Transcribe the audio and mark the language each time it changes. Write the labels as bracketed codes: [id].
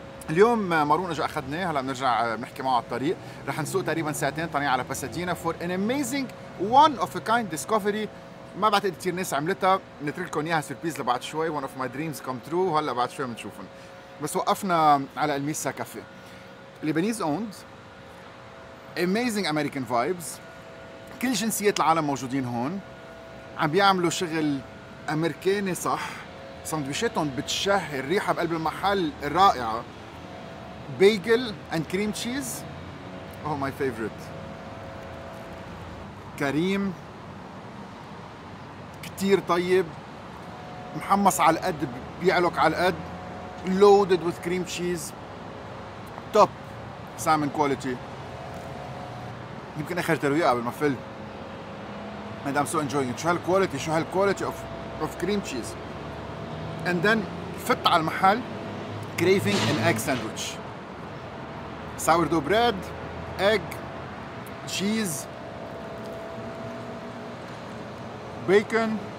[ar] اليوم مارون اجا اخذناه, هلا بنرجع بنحكي معه على الطريق. رح نسوق تقريبا ساعتين طالعين على باساتينا [en] for an amazing one of a kind discovery. [ar] ما بعتقد كثير ناس عملتها, نترك لكم اياها سيربيز لبعد شوي. [en] One of my dreams come true, [ar] هلا بعد شوي بنشوفهم. بس وقفنا على الميسا كافي, لبنيز اوند, [en] amazing American vibes, [ar] كل جنسيات العالم موجودين هون, عم بيعملوا شغل امريكاني صح. ساندويشاتهم بتشهي, الريحة بقلب المحل رائعة. [en] Bagel and cream cheese, oh my favorite. [ar] كريم كتير طيب, محمص على القد, بيعلق على القد, [en] loaded with cream cheese, top salmon quality. [ar] يمكن اخر ترويقة قبل ما فل, [en] and I'm so enjoying it. شو هالquality of cream cheese. And then [ar] فت على المحل [en] craving an egg sandwich, sourdough bread, egg, cheese, bacon.